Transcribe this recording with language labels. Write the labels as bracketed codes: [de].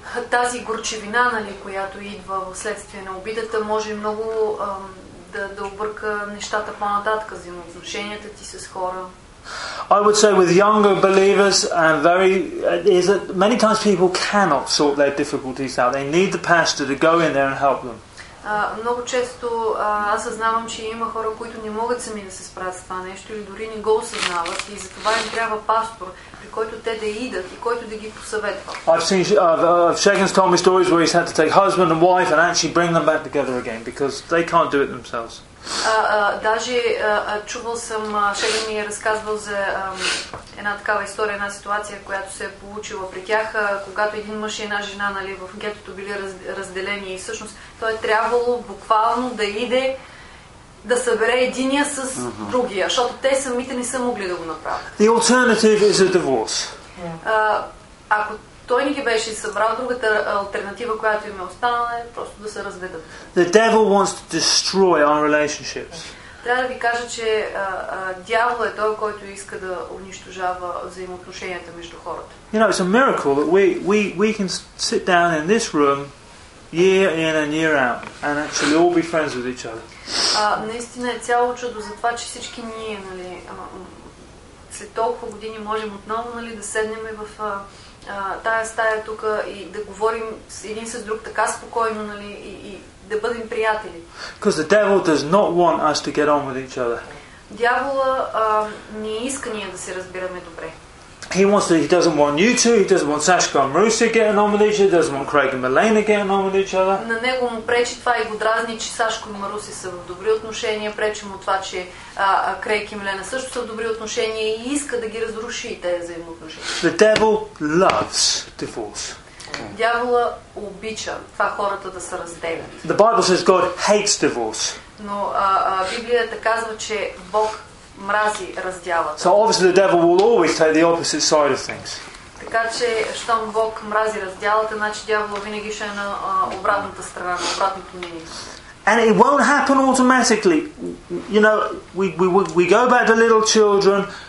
[bg] Тази горчевина, нали, която идва вследствие на обидата, може много да обърка нещата по-нататък, взаимоотношенията ти с хора. [en] I would say with younger believers and is that many times people cannot sort their difficulties out. They need the pastor to go in there and help them. [bg] Много често аз съзнавам, че има хора, които не могат сами да се справят с това нещо или дори не го осъзнават и затова им трябва пастор, при който те да идат и който да ги посъветва. [en] I've seen Shagan's told me stories where he's had to take husband and wife and actually bring them back together again because they can't do it themselves. [bg] Даже чувал съм, Шеган ми е разказвал за една такава история, една ситуация, която се е получила при тях, когато един мъж и една жена, нали, в гетото били разделени и всъщност то е трябвало буквално да иде да събере единия с другия, защото те самите не са могли да го направят. [en] The alternative is a divorce. [bg] Ако той не ги беше събрал, другата алтернатива, която им е останала, е просто да се разведат. [en] The devil wants to destroy our relationships. [bg] Трябва да ви кажа, че дявол е той, който иска да унищожава взаимоотношенията между хората. [en] You know, it's a miracle that we can sit down in this room year in and year out and actually all be friends with each other. [bg] Наистина е цяло чудо за това, че всички ние, нали, след толкова години можем отново, нали, да седнем в тая стая тук и да говорим един с друг така спокойно, нали, и да бъдем приятели. [en] Because the devil does not want us to get on with each other. [bg] Дявола не иска ние да се разбираме добре. [en] He wants to, he doesn't want you to, he doesn't want Sashka and Marusia getting on with each other, he doesn't want Craig and Melena getting on with each other. [bg] На него му пречи това и го дразни, че Сашко и Маруси са в добри отношения, пречи му това, че Крейг и Мелена също са в добри отношения и иска да ги разруши и тези взаимоотношения. [en] The devil loves divorce. [bg] Дявола обича това хората да се разделят. [en] The Bible says God hates divorce. [bg] Но Библията казва, че Бог мрази раздялата. [en] So obviously the devil will always take the opposite side of things. [bg] Така че щом Бог мрази раздялата, значи дявола винаги ще е на обратната страна, на обратното мнение. [en] And it won't happen automatically. You know, we go back to little children.